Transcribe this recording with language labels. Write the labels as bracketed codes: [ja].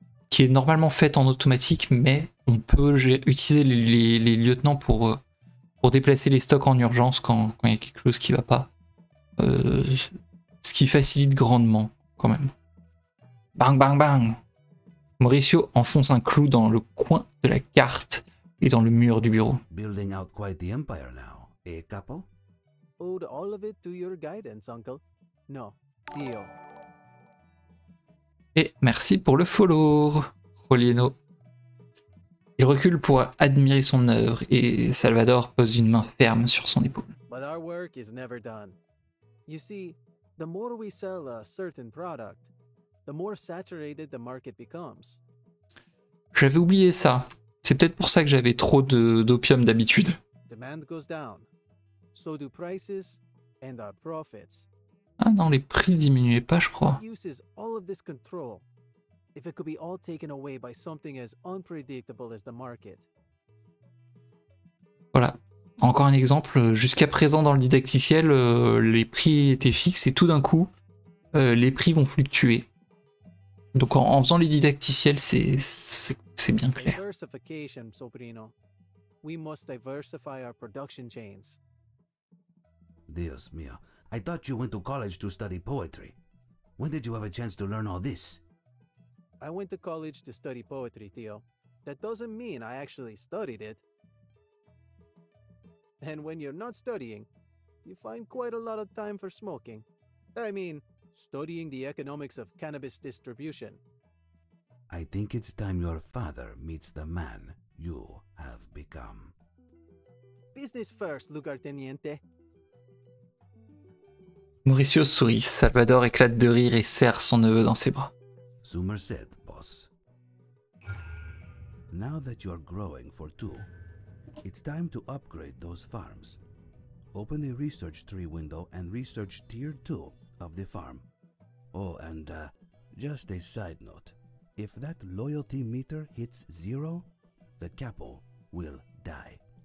[fr] Qui est normalement faite en automatique, mais on peut utiliser les lieutenants pour déplacer les stocks en urgence quand il y a quelque chose qui va pas. Ce qui facilite grandement, quand même. Bang, bang, bang! Mauricio enfonce un clou dans le coin de la carte et dans le mur du bureau. [en] Building out quite the empire now, eh, capo? Owed all of it to your guidance, uncle. No, deal. [fr] Et merci pour le follow, Rolieno. Il recule pour admirer son œuvre et Salvador pose une main ferme sur son épaule. [en] But our work is never done. You see, the more we sell a certain product, the more saturated the market becomes. [fr] J'avais oublié ça. C'est peut-être pour ça que j'avais trop d'opium d'habitude. [en] Demand goes down. So do prices and our profits. [fr] Ah non, les prix diminuaient pas, je crois. [en] Uses all of this control. If it could be all taken away by something as unpredictable as the market. [fr] Voilà. Encore un exemple. Jusqu'à présent, dans le didacticiel, les prix étaient fixes et tout d'un coup, les prix vont fluctuer. Donc en faisant les didacticiels, c'est bien clair. [en] Diversification, Sobrino. We must diversify our production chains. [es] Dios mio. [en] I thought you went to college to study poetry. When did you have a chance to learn all this? I went to college to study poetry, Theo. That doesn't mean I actually studied it. And when you're not studying, you find quite a lot of time for smoking. I mean, studying the economics of cannabis distribution. I think it's time your father meets the man you have become. Business first, Lugarteniente. [fr] Mauricio sourit, Salvador éclate de rire et serre son neveu dans ses bras. [en] Zoomer said, boss. Now that you are growing for two, it's time to upgrade those farms. Open the research tree window and research tier 2 of the farm. Oh, and just a side note. If that loyalty meter hits 0, the capo will die.